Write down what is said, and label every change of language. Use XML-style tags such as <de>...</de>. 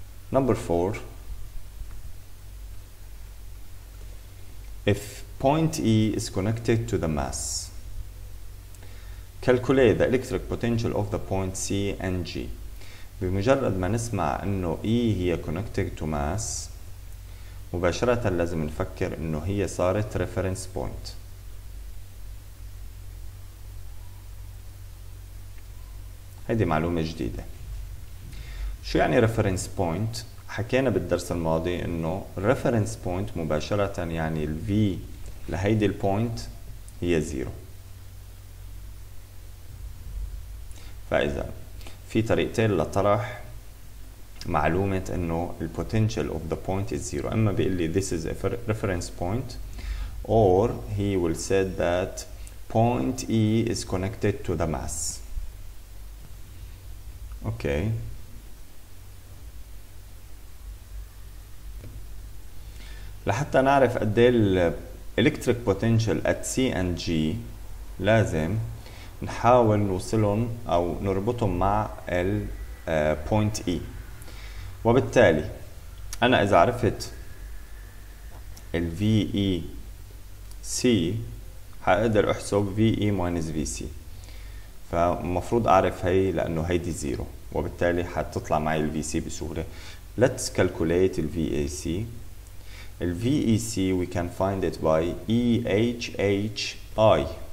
<en>Number 4. If point E is connected to the mass, calculate the electric potential of the point C and G.</en> <ar>بمجرد ما نسمع انه E هي</ar> <en>connected to mass،</en> <ar>مباشرة لازم نفكر انه هي صارت reference point. هيدي معلومة جديدة. شو يعني reference point؟ حكينا بالدرس الماضي انه reference point مباشرة يعني ال V لهيدي البوينت هي zero. فإذا في طريقتين لطرح معلومة إنه الـ</ar> <en>potential of the point is zero،</en> <ar>إما بيقول لي</ar> <en>this is a reference point، or he will say that point E is connected to the mass. Okay.</en> <ar>لحتى نعرف قد إيه الـ</ar> <en>electric potential at C and G</en> <ar>لازم نحاول نوصلهم او نربطهم مع ال point E. وبالتالي انا اذا عرفت ال VEC حقدر احسب VE minus VC، فمفروض اعرف هي لانه هيدي زيرو، وبالتالي حتطلع معي ال VC بسهولة.</ar> <en>Let's calculate ال VAC. ال VEC we can find it by EHHI.</en>